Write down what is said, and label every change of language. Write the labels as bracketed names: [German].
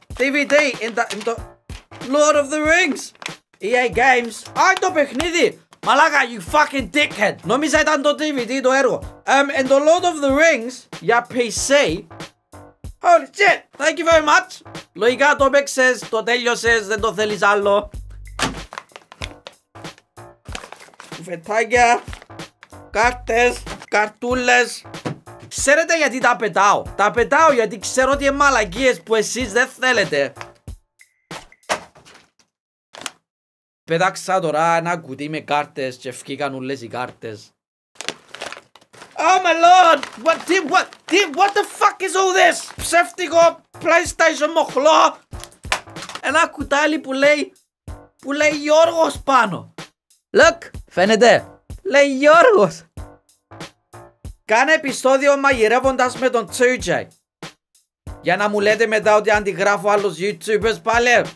[English] DVD in the Lord of the Rings! EA Games. [Greek] Α, το παιχνίδι! Μαλάκα, [English] you fucking dickhead! [Greek] Νόμιζα ήταν το DVD, το έργο. [English] In the Lord of the Rings, [Greek] για PC. [English] Holy shit! Thank you very much! [Greek] Λογικά το παίξες, το τέλειωσες, δεν το θέλεις άλλο. Φετάκια, κάρτες, καρτούλες. Ξέρετε γιατί τα πετάω? Τα πετάω γιατί ξέρω ότι είναι μαλακίες που εσείς δεν θέλετε. Πετάξα τώρα ένα κουτί με κάρτες και φκήκαν ούλες οι κάρτες. [English] Oh my lord, what the fuck is all this? [Greek] Ψεύτικο PlayStation μοχλό. Ένα κουτάλι που λέει Γιώργος πάνω. Look, φαίνεται. Λέει Γιώργος. Κάνε επεισόδιο μαγειρεύοντας με τον Τσούτσαϊ. Για να μου λέτε μετά ότι αντιγράφω άλλους YouTubers πάλι.